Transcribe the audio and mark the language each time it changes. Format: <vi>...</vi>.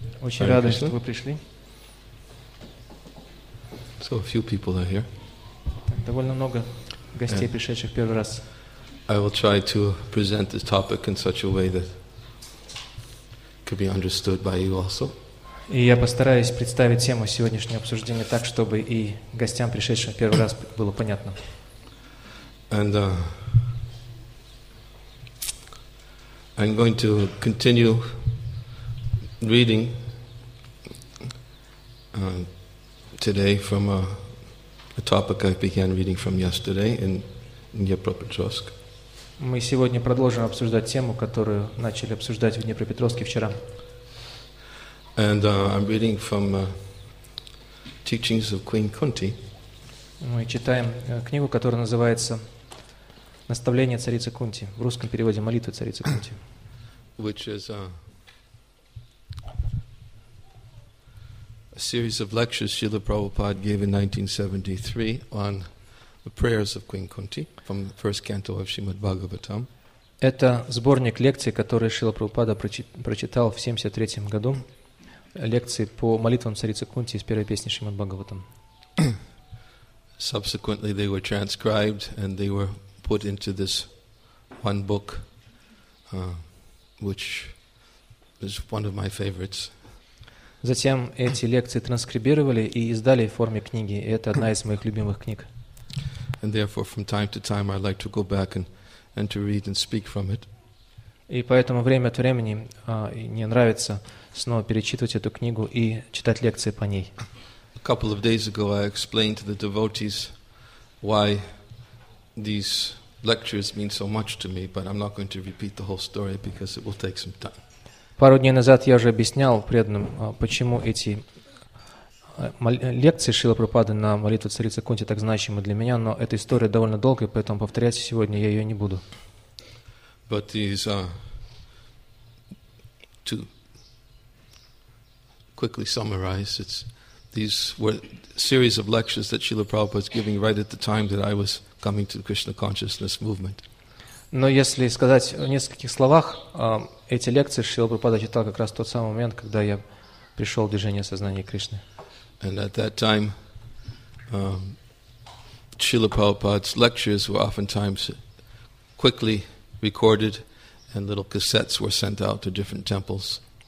<ru>Очень рада, что вы пришли.</ru> <en>So a few people are here.</en> <ru>Довольно много гостей, пришедших первый раз.</ru> <en>I will try to present this topic in such a way that could be understood by you also.</en> <ru>И я постараюсь представить тему сегодняшнего обсуждения так, чтобы и гостям, пришедшим первый раз, было понятно.</ru> <en>And I'm going to continue reading today from a topic I began reading from yesterday in Dnepropetrovsk.</en> <ru>Мы сегодня продолжим обсуждать тему, которую начали обсуждать в Днепропетровске вчера.</ru> <en>And I'm reading from teachings of Queen Kunti.</en> <ru>Мы читаем книгу, которая называется «Наставление царицы Кунти» в русском переводе «Молитвы царицы Кунти».</ru> <en>Which is a series of lectures Srila Prabhupada gave in 1973 on The Prayers of Queen Kunti from the first canto of Srimad Bhagavatam.</en> <ru>Это сборник лекций, которые Шрила Прабхупада прочитал в 73 году, лекции по молитвам царицы Кунти из первой песни Шримад Бхагаватам.</ru> <en>Subsequently they were transcribed and they were put into this one book, which is one of my favorites.</en> <ru>Затем эти лекции транскрибировали и издали в форме книги, и это одна из моих любимых книг.</ru> <en>And therefore, from time to time, I like to go back and to read and speak from it.</en> <ru>И поэтому время от времени мне нравится снова перечитывать эту книгу и читать лекции по ней.</ru> <en>A couple of days ago, I explained to the devotees why these lectures mean so much to me, but I'm not going to repeat the whole story because it will take some time.</en> <ru>Пару дней назад я уже объяснял преданным, почему эти лекции Шрилы Прабхупады на молитву царицы Кунти так значимы для меня, но эта история довольно долгая, поэтому повторять сегодня я ее не буду.</ru> <en>But these to quickly summarize, these were series of lectures that Srila Prabhupada was giving right at the time that I was coming to the Krishna consciousness movement.</en> <ru>Но если сказать в нескольких словах, эти лекции Шрила Прабхупада читал как раз в тот самый момент, когда я пришел в движение сознания Кришны.</ru> <en>And at that time, Srila Prabhupada's lectures were oftentimes quickly recorded, and little cassettes were sent out to different temples.</en>